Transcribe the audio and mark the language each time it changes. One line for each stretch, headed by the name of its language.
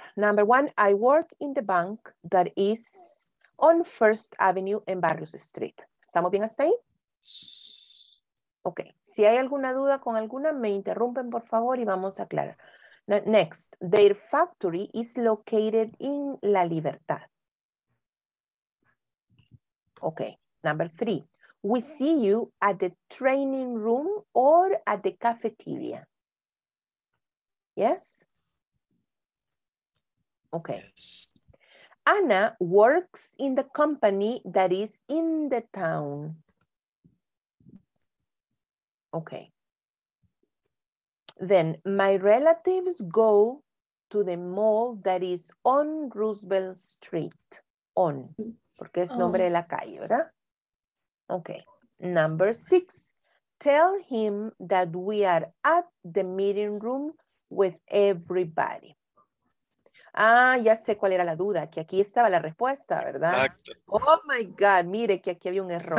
English: Number one, I work in the bank that is on First Avenue and Barrios Street.
Spanish: ¿Estamos bien hasta ahí? Ok, si hay alguna duda con alguna, me interrumpen, por favor, y vamos a aclarar.
English: Next, their factory is located in La Libertad. Okay, number three, we see you at the training room or at the cafeteria. Yes? Okay. Yes. Anna works in the company that is in the town. Okay. Then my relatives go to the mall that is on Roosevelt Street.
Spanish: On, porque es nombre de la calle, ¿verdad?
English: Okay. Number six, tell him that we are at the meeting room with everybody.
Spanish: Ah, ya sé cuál era la duda, que aquí estaba la respuesta, ¿verdad? Exacto.
English: Oh my God,
Spanish: mire que aquí había un error.